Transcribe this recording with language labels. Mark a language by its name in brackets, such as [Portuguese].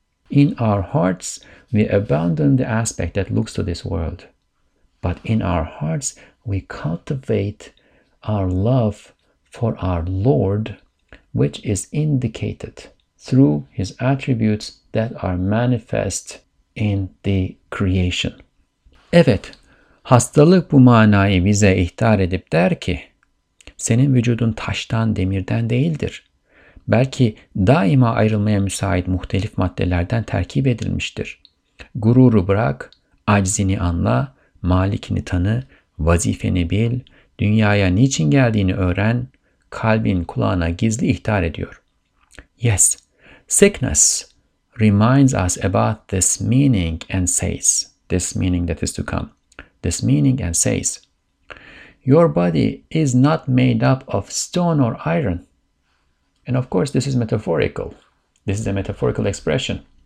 [English] In our hearts, we abandon the aspect that looks to this world. But in our hearts, we cultivate our love for our Lord, which is indicated through his attributes that are manifest in the creation. [Turkish] Evet, hastalık bu manayı bize ihtar edip der ki, senin vücudun taştan, demirden değildir. belki daima ayrılmaya müsait muhtelif maddelerden terkip edilmiştir. Gururu bırak, aczini anla, malikini tanı, vazifeni bil, dünyaya niçin geldiğini öğren, kalbin kulağına gizli ihtar ediyor. [English] Yes, sickness reminds us about this meaning and says, this meaning that is to come, this meaning and says, your body is not made up of stone or iron. And of course, this is metaphorical. This is a metaphorical expression.